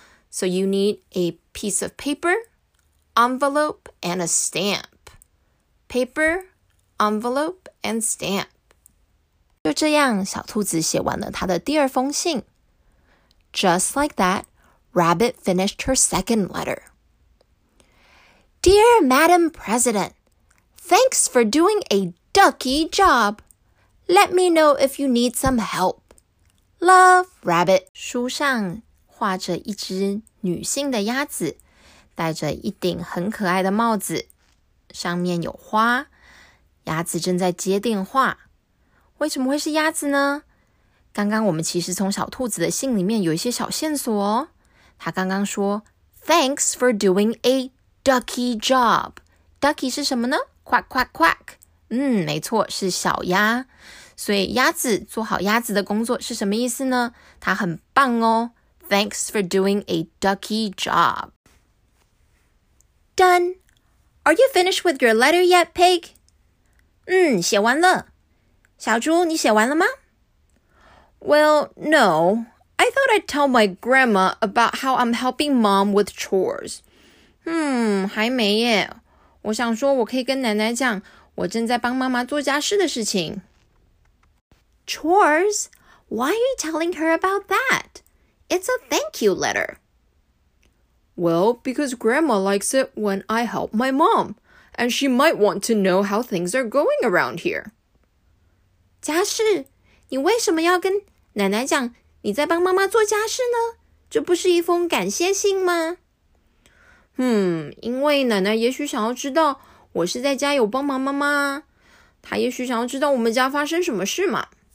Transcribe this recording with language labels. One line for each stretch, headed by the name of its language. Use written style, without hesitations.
English: So you need a piece of paper, envelope, and a stamp. paper, envelope, and stamp.
Chinese: 就这样，小兔子写完了他的第二封信。
English: Just like that, Rabbit finished her second letter. Dear Madam President, thanks for doing a ducky job. Let me know if you need some help. Love, Rabbit.
Chinese: 书上画着一只女性的鸭子，戴着一顶很可爱的帽子，上面有花。鸭子正在接电话。为什么会是鸭子呢？刚刚我们其实从小兔子的信里面有一些小线索哦。他刚刚说
English: Thanks for doing a ducky job.
Chinese: Ducky 是什么呢？Quack, quack, quack. 嗯，没错，是小鸭。所以鸭子做好鸭子的工作是什么意思呢？它很棒哦。
English: Thanks for doing a ducky job. Done. Are you finished with your letter yet, Pig?
Chinese: 嗯，写完了。小猪，你写完了吗？
English: Well, no. I thought I'd tell my grandma about how I'm helping mom with chores.
Chinese: 还没耶。我想说我可以跟奶奶讲我正在帮妈妈做家事的事情。
English: Chores? Why are you telling her about that? It's a thank you letter. Well, because grandma likes it when I help my mom, and she might want to know how things are going around here.
Chinese: 家事? 你为什么要跟奶奶讲你在帮妈妈做家事呢？这不是一封感谢信吗？因为奶奶也许想要知道我是在家有帮忙妈妈，她也许想要知道我们家发生什么事嘛。